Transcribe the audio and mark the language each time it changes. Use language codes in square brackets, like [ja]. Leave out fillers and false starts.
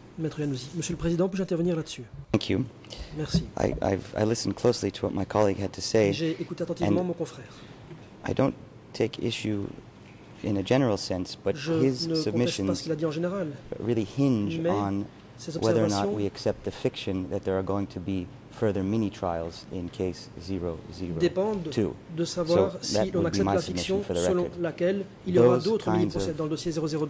[fr] Maître Yannouzi, Monsieur le Président, puis-je intervenir là-dessus? [en] Thank you. [fr] Merci. [en] I listened closely to what my colleague had to say. [fr] J'ai écouté attentivement mon confrère. [en] I don't take issue in a general sense, but [fr] je [en] his submissions really hinge on whether or not we accept the fiction that there are going to be further mini-trials in case 002. [fr] De savoir si l'on accepte la fiction selon laquelle il y aura d'autres mini-procès dans le dossier 002.